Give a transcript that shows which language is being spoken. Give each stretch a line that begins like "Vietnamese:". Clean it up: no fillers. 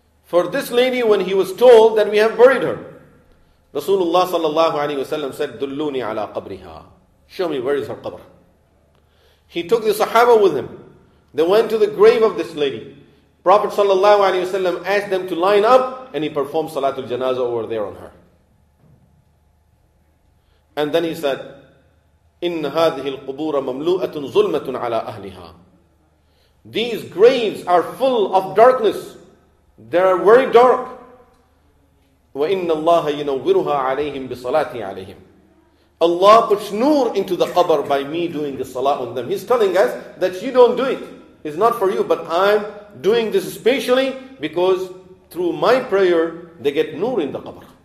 English: For this lady, when he was told that we have buried her, Rasulullah sallallahu alayhi wa sallam said,
Arabic: Dulluni ala qabriha.
English: Show me where is her qabr. He took the Sahaba with him. They went to the grave of this lady. Prophet sallallahu alayhi wa sallam asked them to line up, and he performed Salatul Janazah over there on her. And then he said,
Arabic: إِنَّ هَذِهِ الْقُبُورَ مَمْلُوءَةٌ ظُلْمَةٌ عَلَىٰ أَهْلِهَا.
English: These graves are full of darkness. They are very dark.
Arabic: وَإِنَّ اللَّهَ يُنَوِّرُهَا عَلَيْهِمْ بِصَلَاتِ عَلَيْهِمْ.
English: Allah puts nur into the qabr by me doing the salah on them. He's telling us that you don't do it. It's not for you, but I'm doing this specially because through my prayer, they get nur in the qabr.